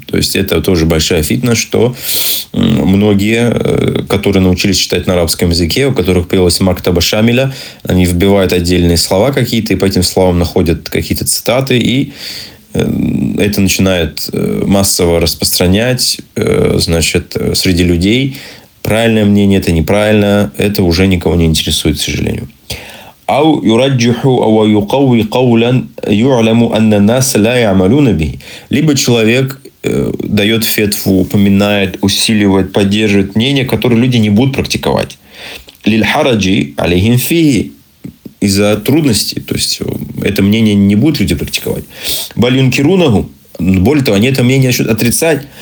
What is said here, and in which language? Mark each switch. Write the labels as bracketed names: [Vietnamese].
[Russian] То есть, это тоже большая фитна, что многие, которые научились читать на арабском языке, у которых появилась мактаба шамиля, они вбивают отдельные слова какие-то и по этим словам находят какие-то цитаты и это начинает массово распространять, значит, среди людей. Правильное мнение – это неправильно. Это уже никого не интересует, к сожалению. [Arabic] أو يرجح أو يقوي قولا يعلم أن الناس لا يعملون به. [Russian] Либо человек дает фетву, упоминает, усиливает, поддерживает мнение, которое люди не будут практиковать. [Arabic] للحرجي عليهم فيه. [Russian] Из-за трудностей, то есть, это мнение не будут люди практиковать. Балюнкирунагу, более того, они это мнение начнут отрицать.